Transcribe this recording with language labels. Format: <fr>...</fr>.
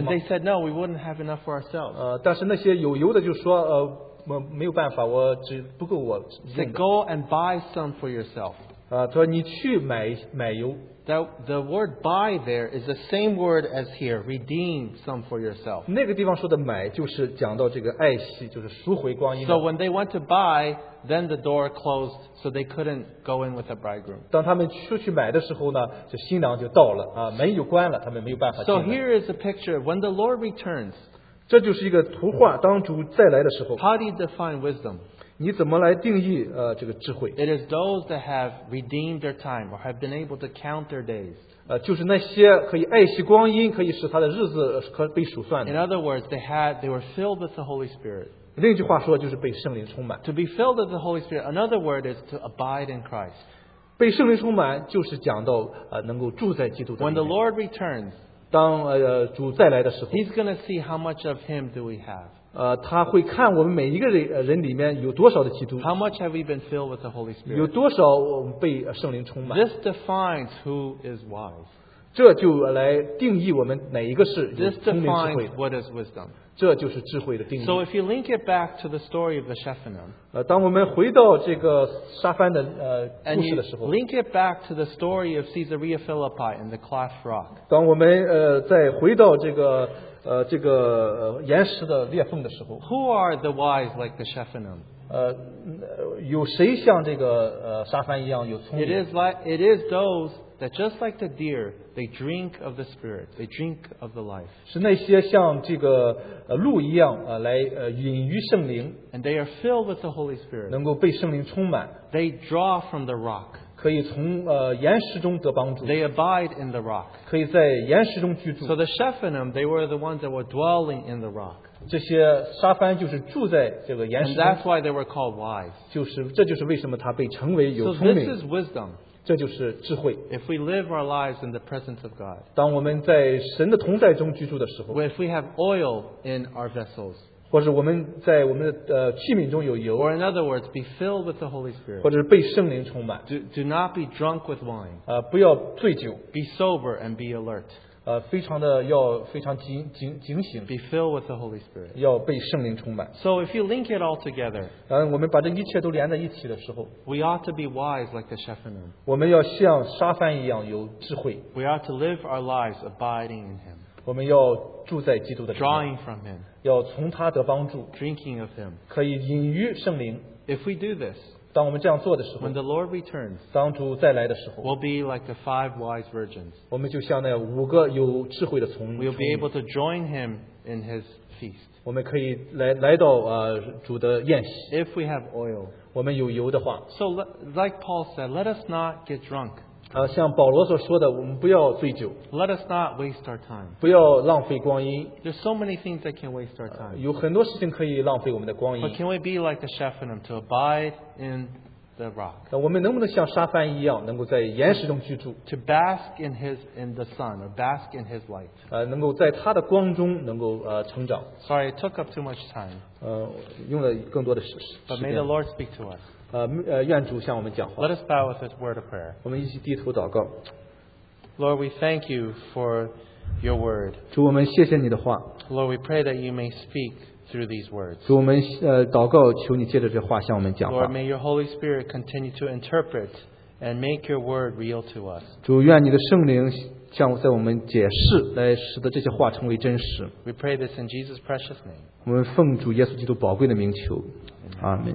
<en>And they said, no, we wouldn't have enough for ourselves.</en> <zh>但是那些有油的就说,没有办法,不够我用的。</zh> <en>Said, go and buy some for yourself.</en> <zh>说你去买油。</zh> <en>The word buy there is the same word as here, redeem some for yourself.</en> <zh>那个地方说的买就是讲到这个爱惜，就是赎回光阴。</zh> <en>So when they went to buy, then the door closed, so they couldn't go in with the bridegroom.</en> <zh>当他们出去买的时候呢，这新郎就到了，门又关了，他们没有办法进来。</zh> <en>So here is a picture, when the Lord returns,</en> <zh>这就是一个图画，当主再来的时候。</zh> <en>How do you define wisdom?</en> <zh>你怎么来定义, 这个智慧?</zh> <en>It is those that have redeemed their time or have been able to count their days.</en> <zh>就是那些可以爱惜光阴, 可以使他的日子, 被数算的。</zh> <en>In other words, they were filled with the Holy Spirit.</en> <zh>另一句话说就是被圣灵充满。</zh> <en>To be filled with the Holy Spirit, another word is to abide in Christ.</en> <zh>被圣灵充满就是讲到, 能够住在基督的里面。</zh> <en>When the Lord returns,</en> <zh>当, 主再来的时候,</zh> <en>He's going to see how much of Him do we have.</en> <zh>他会看我们每一个人里面有多少的基督。</zh> <en>How much have we been filled with the Holy Spirit?</en> <zh>有多少我们被圣灵充满。</zh> <en>This defines who is wise.</en> <zh>这就来定义我们哪一个是聪明智慧的。</zh> <en>This defines what is wisdom.</en> <zh>这就是智慧的定义。</zh> <en>So if you link it back to the story of the Shephanim,</en> <zh>当我们回到这个沙番的, 故事的时候,</zh> <en>and you link it back to the story of Caesarea Philippi and the cleft rock,</en> <zh>当我们, 再回到这个, 这个岩石的裂缝的时候,</zh> <en>who are the wise like the Shephanim?</en> <zh>有谁像这个, 沙番一样有聪明?</zh> <en>It is those that just like the deer, they drink of the Spirit, they drink of the life.</en> <zh>是那些像这个, 鹿一样, 来, 饮于圣灵,</zh> <en>and they are filled with the Holy Spirit.</en> <zh>能够被圣灵充满,</zh> <en>they draw from the rock.</en> <zh>可以从, 岩石中得帮助,</zh> <en>they abide in the rock.</en> <zh>可以在岩石中居住。</zh> <en>So the Shephanim, they were the ones that were dwelling in the rock.</en> <zh>这些沙番就是住在这个岩石中。</zh> <en>And that's why they were called wise.</en> <zh>就是, 这就是为什么他被称为有聪明。</zh> <en>So this is wisdom.</en> <zh>这就是智慧。</zh> <en>If we live our lives in the presence of God,</en> <zh>当我们在神的同在中居住的时候,</zh> <en>if we have oil in our vessels,</en> <zh>或者我们在我们的, 器皿中有油,</zh> <en>or in other words, be filled with the Holy Spirit,</en> <zh>或者是被圣灵充满,</zh> <en>do not be drunk with wine,</en> <zh>不要醉酒,</zh> <en>be sober and be alert,</en> <zh>非常的要非常警醒</zh> <en>，be filled with the Holy Spirit，</en> <zh>要被圣灵充满。</zh> <en>So if you link it all together，</en> <zh>我们把这一切都连在一起的时候</zh> <en>，we ought to be wise like the Shepherdman，</en> <zh>我们要像沙帆一样有智慧。</zh> <en>We ought to live our lives abiding in Him，</en> <zh>我们要住在基督的里面</zh> <en>，drawing from Him，</en> <zh>要从他得帮助</zh> <en>，drinking of Him，</en> <zh>可以饮于圣灵。</zh> <en>If we do this。</en> <zh>当我们这样做的时候</zh> <en>When the Lord returns,</en> <zh>当主再来的时候</zh> <en>we'll be like the five wise virgins.</en> <zh>我们就像那五个有智慧的从</zh> <en>We'll be able to join him in his feast.</en> <zh>我们可以 来到主的宴席</zh> <en>If we have oil.</en> <zh>我们有油的话</zh> <en>So like Paul said, let us not get drunk.</en> <zh>像保罗所说的我们不要醉酒</zh> <en>Let us not waste our time.</en> <zh>不要浪费光阴</zh> <en>There's so many things that can waste our time.</en> <zh>有很多事情可以浪费我们的光阴</zh> <en>But can we be like the Shepherdman to abide in the rock.</en> <zh>那我们能不能像沙帆一样能够在岩石中居住</zh> <en>To bask in the sun or bask in his light.</en> <zh>能够在他的光中能够成长</zh> <en>Sorry, it took up too much time.</en> <zh>用了更多的时间</zh> <en>But may the Lord speak to us.</en> <zh>愿主向我们讲话</zh> <en>Let us bow with his word of prayer.</en> <zh>我们一起低头祷告</zh> <en>Lord, we thank you for your word.</en> <zh>主我们谢谢你的话</zh> <en>Lord, we pray that you may speak through these words.</en> <zh>主我们祷告求你借着这话向我们讲话。</zh> <en>Lord, may your Holy Spirit continue to interpret and make your word real to us.</en> <zh>主愿你的圣灵向在我们解释来使得这些话成为真实。</zh> <en>We pray this in Jesus' precious name.</en> <zh>我们奉主耶稣基督宝贵的名求。阿门。</zh>